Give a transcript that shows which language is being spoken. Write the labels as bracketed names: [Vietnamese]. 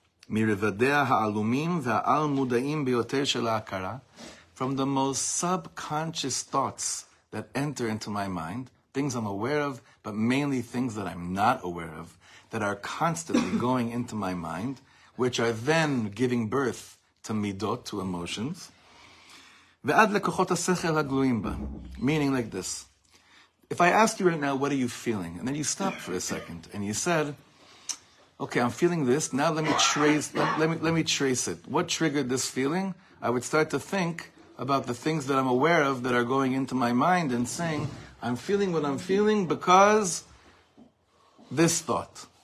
[Hebrew] מרבדיה העלומים והעל מודעים ביותר של ההכרה, [English] from the most subconscious thoughts that enter into my mind, things I'm aware of, but mainly things that I'm not aware of, that are constantly going into my mind, which are then giving birth to midot, to emotions. [Hebrew] ועד לקוחות השכל הגלויים בה, [English] meaning like this. If I ask you right now, what are you feeling? And then you stop for a second, and you said, okay, I'm feeling this. Now let me trace it. What triggered this feeling? I would start to think about the things that I'm aware of that are going into my mind and saying, I'm feeling what I'm feeling because this thought.